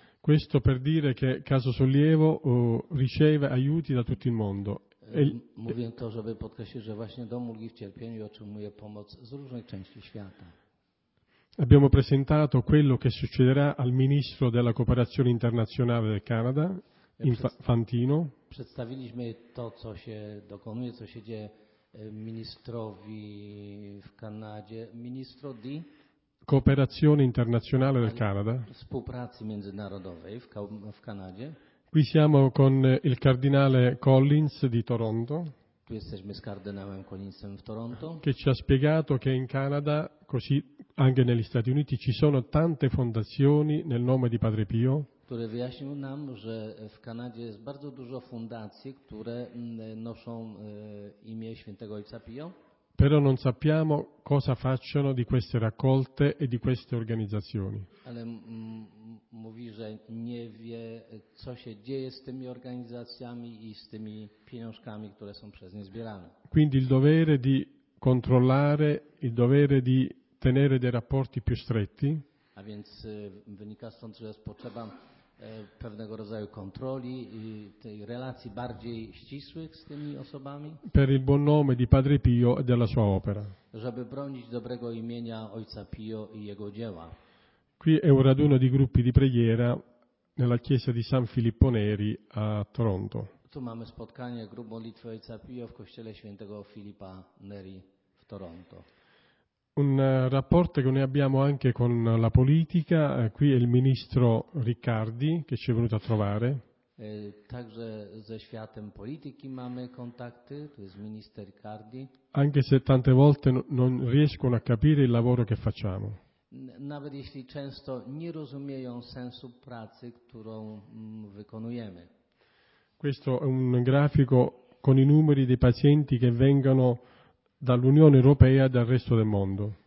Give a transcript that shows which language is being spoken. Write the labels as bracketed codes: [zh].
[it] Questo per dire che Caso Sollievo riceve aiuti da tutto il mondo. [pl] Mówię to, żeby podkreślić, że właśnie Dom Ulgi w Cierpieniu otrzymuje pomoc z różnych części świata. [it] Abbiamo presentato quello che succederà al ministro della cooperazione internazionale del Canada, Infantino. [pl] Przedstawiliśmy to, co się dokonuje, co się dzieje ministrowi w Kanadzie, [it] ministro di cooperazione internazionale del Canada. [pl] Współpracy międzynarodowej w Kanadzie. [it] Qui siamo con il cardinale Collins di Toronto. [pl] Tu jesteśmy z kardynałem Collinsem w Toronto. [it] Che ci ha spiegato che in Canada, così anche negli Stati Uniti, ci sono tante fondazioni nel nome di Padre Pio. [pl] Który wyjaśnił nam, że w Kanadzie jest bardzo dużo fundacji, które noszą imię świętego ojca Pio. [it] Però non sappiamo cosa facciano di queste raccolte e di queste organizzazioni. [pl] Ale mówi, że nie wie, co się dzieje z tymi organizacjami i z tymi pieniążkami, które są przez nie zbierane. [it] Quindi il dovere di controllare, il dovere di tenere dei rapporti più stretti. [pl] A więc wynika stąd, że jest potrzeba pewnego rodzaju kontroli i tej relacji bardziej ścisłych z tymi osobami. [it] Per il buon nome di Padre Pio e della sua opera. [pl] Żeby bronić dobrego imienia ojca Pio i jego dzieła. [it] Qui è un raduno di gruppi di preghiera nella chiesa di San Filippo Neri a Toronto. [pl] Tu mamy spotkanie grup modlitwy ojca Pio w kościele świętego Filipa Neri w Toronto. [it] Un rapporto che noi abbiamo anche con la politica, qui è il ministro Riccardi che ci è venuto a trovare. [pl] Także ze światem polityki mamy kontakty, tu jest minister Riccardi. [it] Anche se tante volte non riescono a capire il lavoro che facciamo. [pl] Nawet jeśli często nie rozumieją sensu pracy, którą wykonujemy. [it] Questo è un grafico con i numeri dei pazienti che vengono dall'Unione Europea e dal resto del mondo.